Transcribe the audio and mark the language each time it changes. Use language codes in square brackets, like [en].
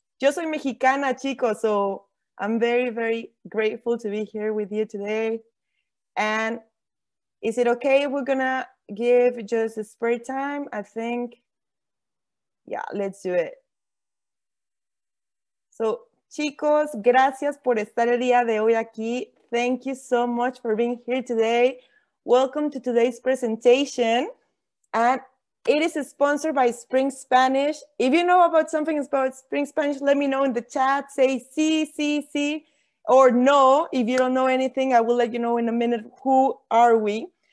[es] Yo soy mexicana, chicos, [en] so I'm very, very grateful to be here with you today. And is it okay if we're gonna give just a spare time? I think, yeah, let's do it. [es] So, chicos, gracias por estar el día de hoy aquí. [en] Thank you so much for being here today. Welcome to today's presentation. And it is sponsored by Spring Spanish. If you know about something about Spring Spanish, let me know in the chat. Say sí, or no. If you don't know anything, I will let you know in a minute who are we.